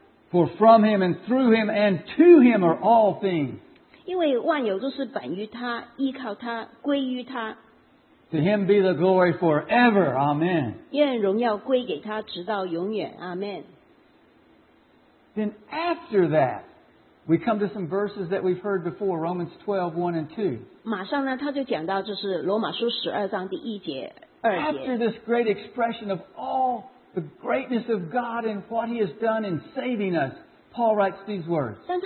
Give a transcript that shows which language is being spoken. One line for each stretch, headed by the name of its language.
English: for from him and through him and to him are all things.
Chinese: 因为万有都是本于他,依靠他,归于他。
English: To him be the glory forever. Amen.
Chinese: 愿荣耀归给他直到永远。Amen.
English: Then after that, we come to some verses that we've heard before, Romans 12, 1 and 2.
Chinese: 马上呢,他就讲到就是罗马书12章第一节,二节。
English: After this great expression of all the greatness of God and what he has done in saving us, Paul writes these words.